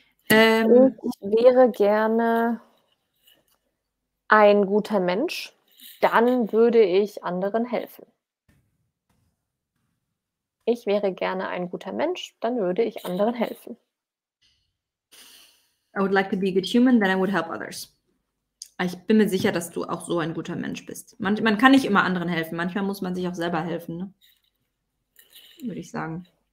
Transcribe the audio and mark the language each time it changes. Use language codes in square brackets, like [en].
[de] Ich wäre gerne ein guter Mensch. Dann würde ich anderen helfen. Ich wäre gerne ein guter Mensch, dann würde ich anderen helfen. [en] I would like to be a good human, then I would help others. [de] Ich bin mir sicher, dass du auch so ein guter Mensch bist. Man kann nicht immer anderen helfen. Manchmal muss man sich auch selber helfen, ne? Würde ich sagen.